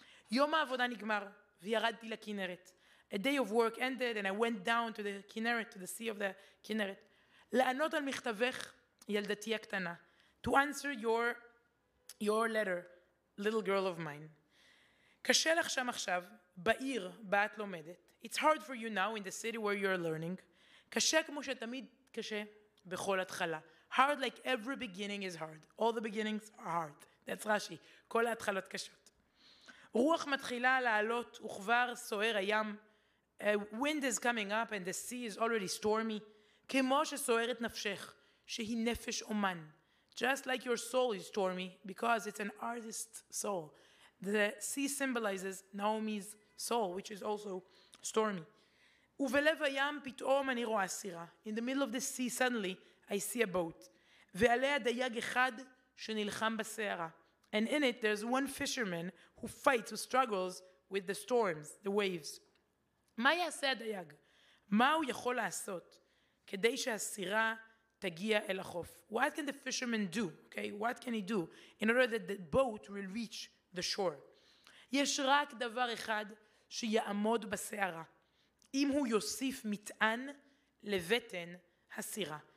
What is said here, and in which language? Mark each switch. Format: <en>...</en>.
<he>Yom ha'avodah nigmar v'yaradti la'kineret.</he> <en>A day of work ended and I went down to the Kineret, to the Sea of the Kineret.</en> <he>La'anot al michtavech yaldati haktana.</he> <en>To answer your letter, little girl of mine.</en> <he>Kashe lach sham achshav ba'ir ba'at lomedet.</he> <en>It's hard for you now in the city where you're learning.</en> <he>קשה כמו שתמיד קשה בכל התחלה.</he> <en>Hard like every beginning is hard. All the beginnings are hard. That's Rashi.</en> <he>כל ההתחלות קשות. רוח מתחילה לעלות וכבר סוער הים.</he> <en>A wind is coming up and the sea is already stormy.</en> <he>כמו שסוערת נפשך, שהיא נפש אומן.</he> <en>Just like your soul is stormy because it's an artist's soul. The sea symbolizes Naomi's soul, which is also stormy.</en> <he>ובלב הים פתאום אני רואה סירה.</he> <en>In the middle of the sea, suddenly, I see a boat.</en> <he>ועליה דייג אחד שנלחם בסערה.</he> <en>And in it, there's one fisherman who fights, who struggles with the storms, the waves.</en> <he>מה יעשה הדייג? מה הוא יכול לעשות כדי שהסירה תגיע אל החוף?</he> <en>What can the fisherman do? Okay, what can he do in order that the boat will reach the shore?</en> <he>יש רק דבר אחד שיעמוד בסערה. אם הוא יוסיף מטען לבטן הסירה.</he>